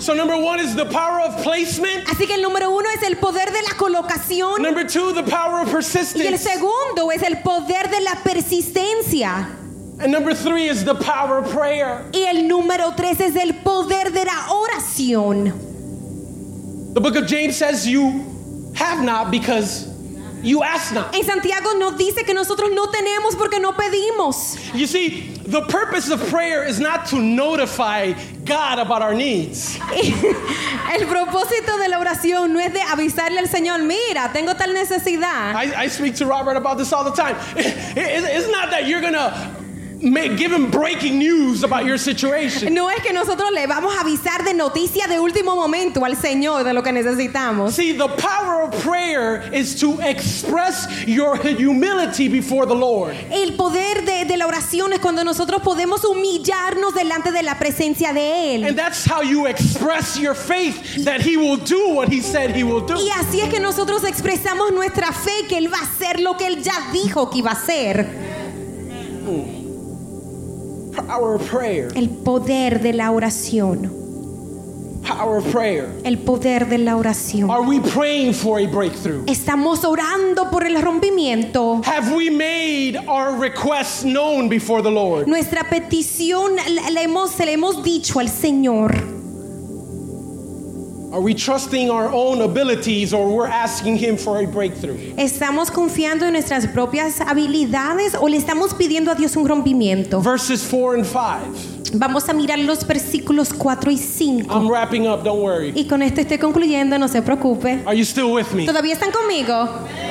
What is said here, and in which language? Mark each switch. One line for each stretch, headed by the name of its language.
English: So number one is the power of placement.
Spanish: Así que el número uno es el poder de la colocación.
English: Number two, the power of persistence.
Spanish: Y el segundo es el poder de la persistencia.
English: And number three is the power of prayer.
Spanish: Y el número tres es el poder de la oración.
English: The book of James says you have not because you ask not.
Spanish: En Santiago nos dice que nosotros no tenemos porque no pedimos.
English: You see, the purpose of prayer is not to notify God about our needs.
Spanish: El propósito de la oración no es de avisarle al Señor, mira, tengo tal necesidad.
English: I speak to Robert about this all the time. It's not that you're going to give him breaking news about your situation.
Spanish: No es que nosotros le vamos a avisar de noticia de último momento al Señor de lo que necesitamos.
English: See, the power of prayer is to express your humility before the Lord.
Spanish: El poder de la oración es cuando nosotros podemos humillarnos delante de la presencia de Él.
English: And that's how you express your faith that He will do what He said He will do.
Spanish: Y así es que nosotros expresamos nuestra fe que Él va a hacer lo que Él ya dijo que iba a hacer.
English: Power of prayer.
Spanish: El poder de la oración.
English: Power of prayer.
Spanish: El poder de la oración.
English: Are we praying for a breakthrough?
Spanish: Estamos orando por el rompimiento.
English: Have we made our requests known before the Lord?
Spanish: Nuestra petición le hemos dicho al Señor.
English: Are we trusting our own abilities or we're asking Him for a breakthrough?
Spanish: ¿Estamos confiando en nuestras propias habilidades o le estamos pidiendo a Dios un rompimiento?
English: Verses 4 and 5.
Spanish: Vamos a mirar los versículos 4 y 5.
English: I'm wrapping up, don't worry.
Spanish: Y con esto estoy concluyendo, no se preocupe.
English: Are you still with me?
Spanish: ¿Todavía están conmigo?